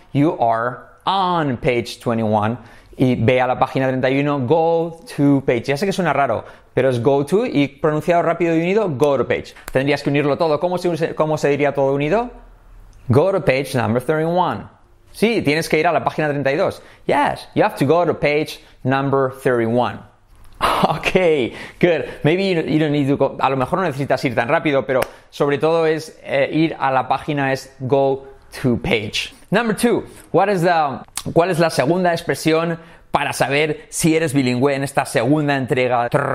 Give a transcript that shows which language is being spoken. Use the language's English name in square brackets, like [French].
[English] You are on page 21. [Spanish] Y ve a la página 31. [English] Go to page. [Spanish] Ya sé que suena raro, pero es go to y pronunciado rápido y unido, [English] go to page. [Spanish] Tendrías que unirlo todo. ¿Cómo se diría todo unido? [English] Go to page number 31. [Spanish] Sí, tienes que ir a la página 32. [English] Yes, you have to go to page number 31. Okay, good. Maybe you don't need to go. [Spanish] A lo mejor no necesitas ir tan rápido, pero sobre todo es ir a la página, es [English] go to page. Number two, [Spanish] ¿cuál es la segunda expresión para saber si eres bilingüe en esta segunda entrega?